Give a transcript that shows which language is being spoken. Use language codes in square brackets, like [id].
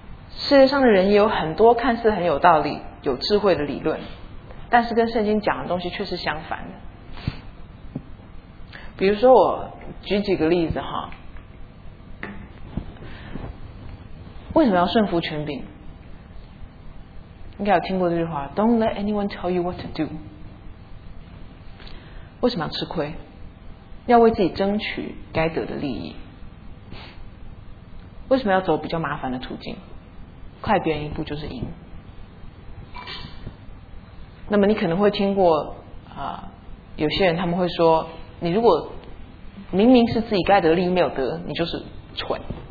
[zh] 世界上的人也有很多看似很有道理有智慧的理论，但是跟圣经讲的东西却是相反的。比如说我举几个例子哈，为什么要顺服权柄？应该有听过这句话， [en] Don't let anyone tell you what to do。 [zh] 为什么要吃亏？要为自己争取该得的利益。为什么要走比较麻烦的途径？快别人一步就是赢。那么你可能会听过有些人他们会说，你如果明明是自己该得的利益没有得，你就是蠢。